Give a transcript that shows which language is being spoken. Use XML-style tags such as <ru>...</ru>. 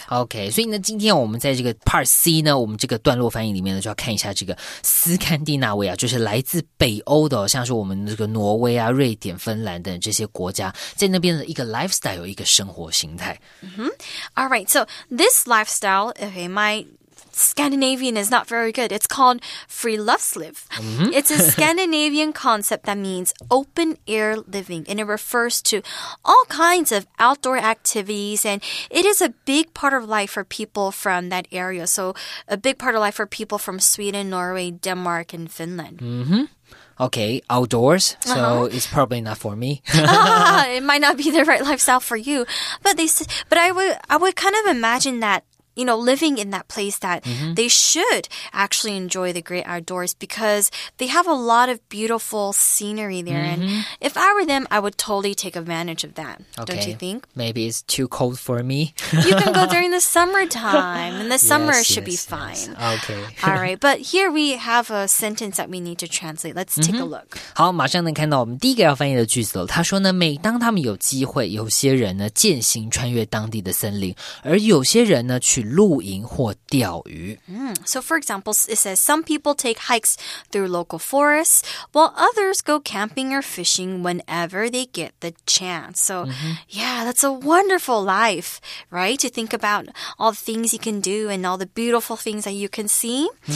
<zh>Okay, 所以呢，今天我们在这个 Part C 呢，我们这个段落翻译里面呢，就要看一下这个斯堪的纳维亚，就是来自北欧的，像是我们这个挪威啊、瑞典、芬兰等这些国家，在那边的一个 lifestyle， 一个生活形态。</zh> <en>All right, so this lifestyle, okay, Scandinavian is not very good. It's called friluftsliv. It's a Scandinavian concept that means open-air living, and it refers to all kinds of outdoor activities, and it is a big part of life for people from that area. So a big part of life for people from Sweden, Norway, Denmark, and Finland. Okay, outdoors, so it's probably not for me. It might not be the right lifestyle for you. But I would kind of imagine that, you know, living in that place that they should actually enjoy the great outdoors because they have a lot of beautiful scenery there. And if I were them, I would totally take advantage of that. Okay. Don't you think? Maybe it's too cold for me. You can go during the summertime and the summer should be fine. Yes. Okay. All right. But here we have a sentence that we need to translate. Let's take a look.</en> <zh>好，马上能看到我们第一个要翻译的句子了。他说呢，每当他们有机会，有些人呢践行穿越当地的森林，而有些人呢去露营或钓鱼。</zh> <en>So for example, it says some people take hikes through local forests, while others go camping or fishing whenever they get the chance. So yeah, that's a wonderful life, right? To think about all the things you can do and all the beautiful things that you can see.</en>